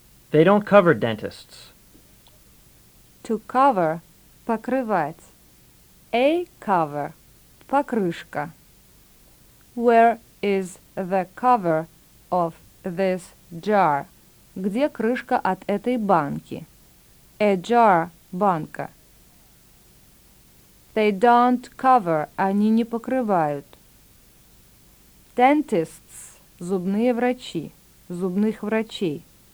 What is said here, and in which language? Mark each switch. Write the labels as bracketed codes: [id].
[en] They don't cover dentists. To cover – [ru] покрывать. [en] A cover – [ru] покрышка. [en] Where is the cover of this jar? [ru] Где крышка от этой банки? [en] A jar – [ru] банка. [en] They don't cover – [ru] они не покрывают. [en] Dentists [ru] – зубные врачи, зубных врачей.